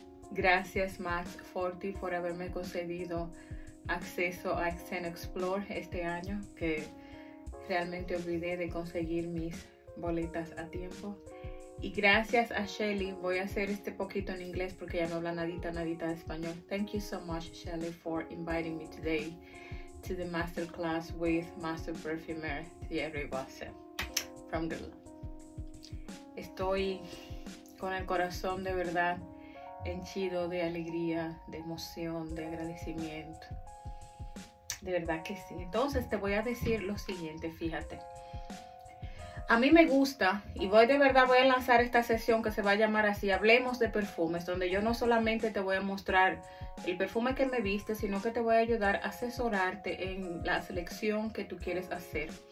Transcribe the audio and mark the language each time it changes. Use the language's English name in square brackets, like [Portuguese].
[Spanish] Gracias, Max Forti, por haberme concedido acceso a Xen Explore este año, que realmente olvidé de conseguir mis boletas a tiempo. Y gracias a Shelly, voy a hacer este poquito en inglés porque ya no habla nadita de español. [English] Thank you so much, Shelly, for inviting me today to the masterclass with Master Perfumer Thierry Bosset from Greenland. [Spanish] Estoy con el corazón de verdad henchido de alegría, de emoción, de agradecimiento. De verdad que sí. Entonces te voy a decir lo siguiente, fíjate. A mí me gusta, y voy a lanzar esta sesión que se va a llamar así, Hablemos de Perfumes, donde yo no solamente te voy a mostrar el perfume que me viste, sino que te voy a ayudar a asesorarte en la selección que tú quieres hacer.